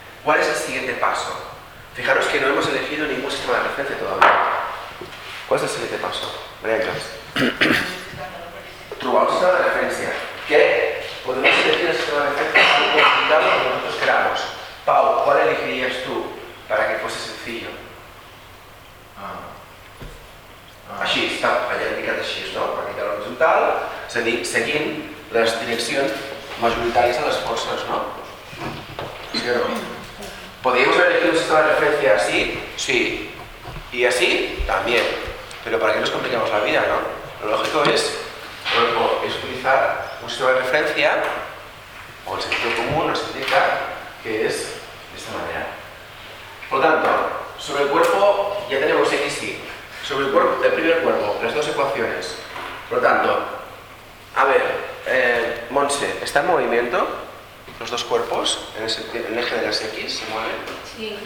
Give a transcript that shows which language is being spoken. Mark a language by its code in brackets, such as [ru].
[es] ¿Cuál es el siguiente paso? Fijaros que no hemos elegido ningún sistema de referencia todavía. ¿Cuál es el siguiente paso? Venga. Trubar un sistema de referencia. ¿Qué? Podemos elegir el sistema de referencia que hemos pintado como nosotros queramos. Pau, ¿cuál elegirías tú para que fuese sencillo? [ca] Així, està, allà indicat així, no? Per aquí tal horitzontal, és a dir, seguint les direccions majoritàries de les forces, no? Sí o no? Podríem haver elegit un sistema de referència així? Sí. I així? També. Però per què ens compliquem la vida, no? Lo lógico és, bueno, és utilitzar un sistema de referència o el sentit comú ens indica que és d'aquesta manera. [es] Por tanto, sobre el cuerpo ya tenemos X y. Sobre el cuerpo, el primer cuerpo, las dos ecuaciones. Por lo tanto, a ver, Montse, ¿está en movimiento los dos cuerpos en el eje de las X? ¿Se mueven? Sí.